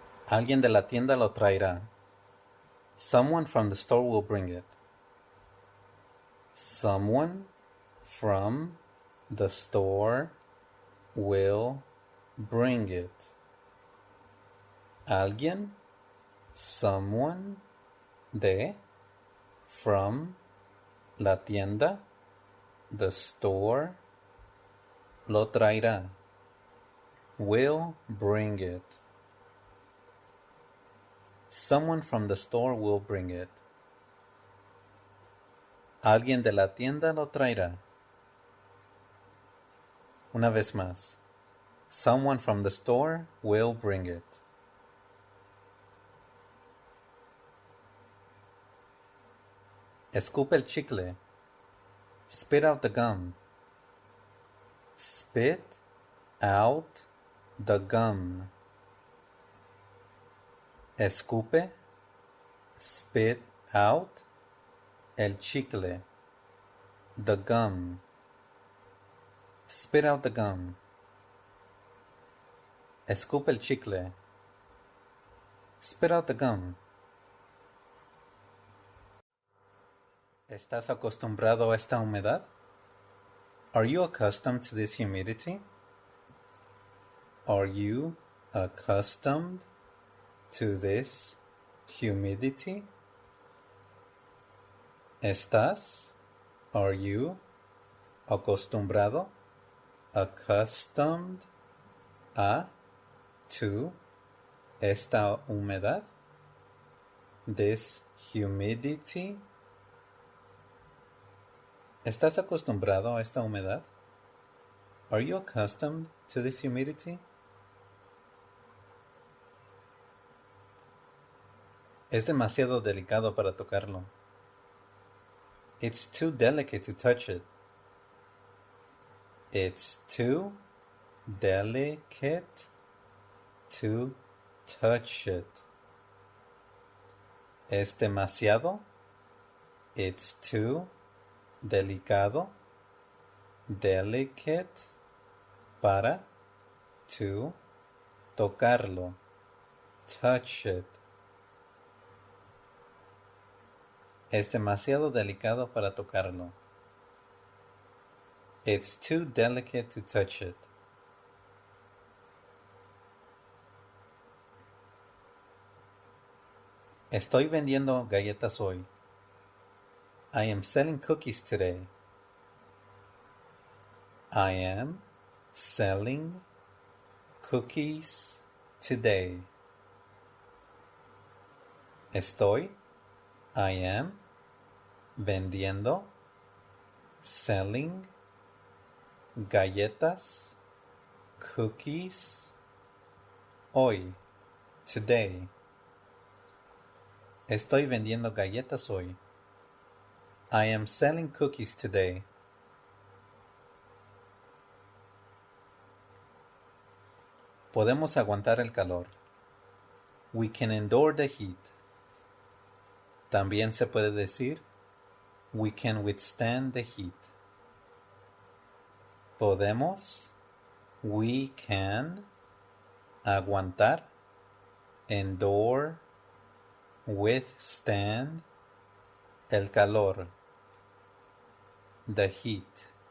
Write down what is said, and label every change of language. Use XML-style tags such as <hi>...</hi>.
<es>Alguien de la tienda lo traerá.</es> <en>Someone from the store will bring it. Someone from the store will bring it.</en> <es>Alguien,</es> <en>someone</en> <es>de,</es> <en>from,</en> <es>la tienda,</es> <en>the store,</en> <es>lo traerá.</es> <en>Will bring it. Someone from the store will bring it.</en> <es>Alguien de la tienda lo traerá. Una vez más.</es> <en>Someone from the store will bring it.</en> <es>Escupe el chicle.</es> <en>Spit out the gum. Spit out the gum.</en> <es>Escupe,</es> <en>spit out,</en> <es>el chicle,</es> <en>the gum. Spit out the gum.</en> <es>Escupe el chicle.</es> <en>Spit out the gum.</en> <es>¿Estás acostumbrado a esta humedad?</es> <en>Are you accustomed to this humidity? Are you accustomed to this humidity?</en> <es>¿Estás?</es> <en>Are you</en> <es>acostumbrado?</es> <en>Accustomed</en> <es>a</es> <en>to</en> <es>esta humedad?</es> <en>This humidity?</en> <es>¿Estás acostumbrado a esta humedad?</es> <en>Are you accustomed to this humidity?</en> <es>Es demasiado delicado para tocarlo.</es> <en>It's too delicate to touch it. It's too delicate to touch it.</en> <es>Es demasiado.</es> <en>It's too</en> <es>delicado.</es> <en>Delicate</en> <es>para</es> <en>to</en> <es>tocarlo.</es> <en>Touch it.</en> <es>Es demasiado delicado para tocarlo.</es> <en>It's too delicate to touch it.</en> <es>Estoy vendiendo galletas hoy.</es> <en>I am selling cookies today. I am selling cookies today.</en> <es>Estoy.</es> <en>I am</en> <es>vendiendo,</es> <en>selling,</en> <es>galletas,</es> <en>cookies,</en> <es>hoy,</es> <en>today.</en> <es>Estoy vendiendo galletas hoy.</es> <en>I am selling cookies today.</en> <es>Podemos aguantar el calor.</es> <en>We can endure the heat.</en> <es>También se puede decir,</es> <en>we can withstand the heat.</en> <es>Podemos,</es> <en>we can,</en> <es>aguantar,</es> <en>endure, withstand,</en> <es>el calor,</es> <en>the heat.</en>